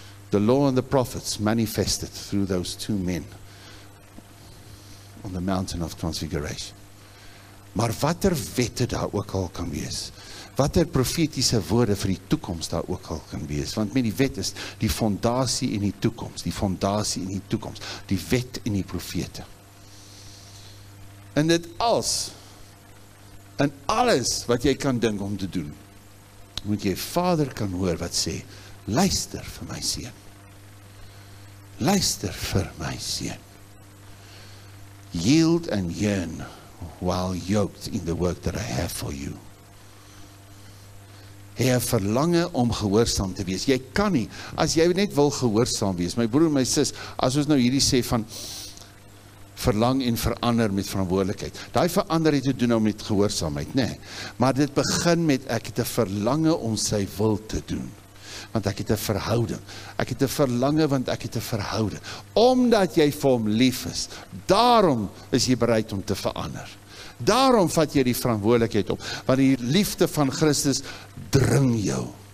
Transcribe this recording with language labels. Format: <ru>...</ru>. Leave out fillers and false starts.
<en>The law and the prophets manifested through those two men on the mountain of transfiguration.</en> <af>Maar watter wette daar ook al kan wees, watter profetiese woorde vir die toekoms daar ook al kan wees, want met die wet is die fondasie in die toekoms, die fondasie in die toekoms, die wet en die profete. En dit als, en alles wat jy kan dink om te doen, moet jy Vader kan hoor wat sê, luister vir my seun. Luister vir my seun.</af> <en>Yield and yearn while yoked in the work that I have for you.</en> <af>Hy het verlange om gehoorsaam te wees. Jy kan nie, as jy net wil gehoorsaam wees, my broer, my sis, as ons nou hierdie sê van, verlang en verander met verantwoordelikheid. Daai verander het te doen nou met gehoorsaamheid, nê? Maar dit begin met ek het 'n verlange om sy wil te doen. Want ek het 'n verhouding. Ek het 'n verlange want ek het 'n verhouding. Omdat jy vir hom lief is, daarom is jy bereid om te verander. Daarom vat jy die verantwoordelikheid op, want die liefde van Christus dring jou.</af>